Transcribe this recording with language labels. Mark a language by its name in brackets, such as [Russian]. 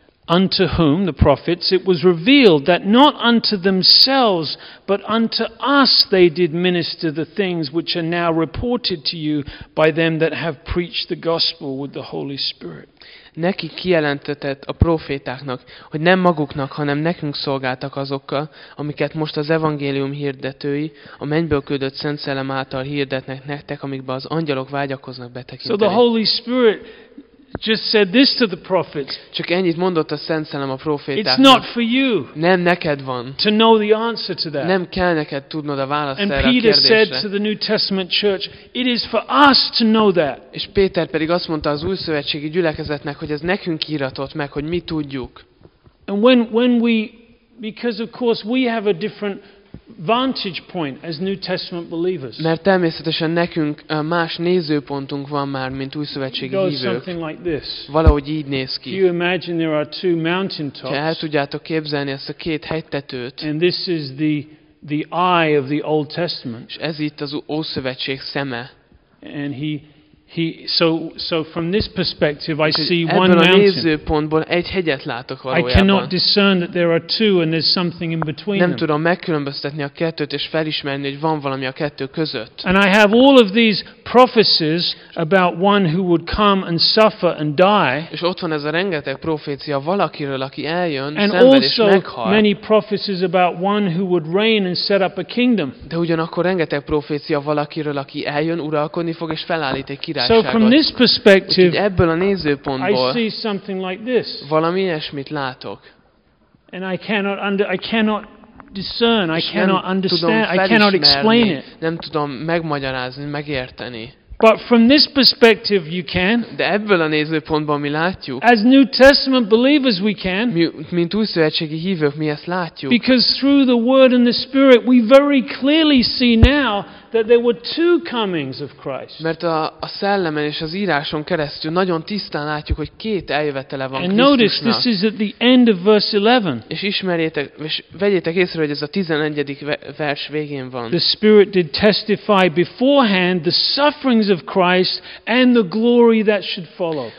[English] unto whom, the prophets, it was revealed that not unto themselves, but unto us they did minister the things which are now reported to you by them that have preached the gospel with the Holy Spirit. [Hungarian] Neki kijelentetett a profétáknak, hogy nem maguknak, hanem nekünk szolgáltak azokkal, amiket most az evangélium hirdetői, a mennyből küldött Szent Szellem által hirdetnek nektek, amikbe az angyalok vágyakoznak betekinteni. [English] So the Holy Spirit just said this to the prophets. [Hungarian] Csak ennyit mondott a Szent Szellem a profétáknak. [English] It's not for you. [Hungarian] Nem neked van. [English] To know the answer to that. [Hungarian] Nem kell neked tudnod a választ erre a kérdésre. [English] And Peter said to the New Testament church, it is for us to know that. [Hungarian] És Péter pedig azt mondta az új szövetségi gyülekezetnek, hogy ez nekünk íratott meg, hogy mi tudjuk. [English] And when we, because of course we have a different vantage point as New Testament believers. [Hungarian] Mert természetesen nekünk más nézőpontunk van már, mint új szövetségi hívők. Valahogy így néz ki. [English] You imagine there are two mountaintops. [Hungarian] El tudjátok képzelni ezt a két hegytetőt. [English] And this is the eye of the Old Testament. [Hungarian] És ez itt az Ószövetség szeme. [English] And so from this perspective I see one mountain. [Hungarian] Ebből a nézőpontból egy hegyet látok valójában. [English] I cannot discern that there are two and there's something in between. [Hungarian] Nem tudom megkülönböztetni a kettőt és felismerni, hogy van valami a kettő között. [English] And I have all of these prophecies about one who would come and suffer and die. [Hungarian] És ott van ez a rengeteg profécia valakiről, aki eljön, [English] and [Hungarian] szenved [English] also [Hungarian] és meghal. [English] Many prophecies about one who would reign and set up a kingdom. [Hungarian] De ugyanakkor rengeteg profécia valakiről, aki eljön, uralkodni fog és felállít egy királyságot. [English] So from this perspective, [Hungarian] ebből a nézőpontból [English] I see something like this. [Hungarian] Valami ilyesmit látok. [English] And I cannot discern, I cannot understand, I cannot explain it. [Hungarian] Nem tudom megmagyarázni, megérteni. [English] But from this perspective you can. [Hungarian] De ebből a nézőpontból mi látjuk. [English] As New Testament believers we can. [Hungarian] Mint új szövetségi hívők mi ezt látjuk. [English] Because through the word and the spirit we very clearly see now that there were two comings of Christ. [Hungarian] Mert a szellemen és az íráson keresztül nagyon tisztán látjuk, hogy két eljövetele van Krisztusnak. [English] And notice this is at the end of verse 11. [Hungarian] És ismerjétek, és vegyétek észre, hogy ez a 11. vers végén van. [English] The spirit did testify beforehand the sufferings of Christ and the glory that should follow.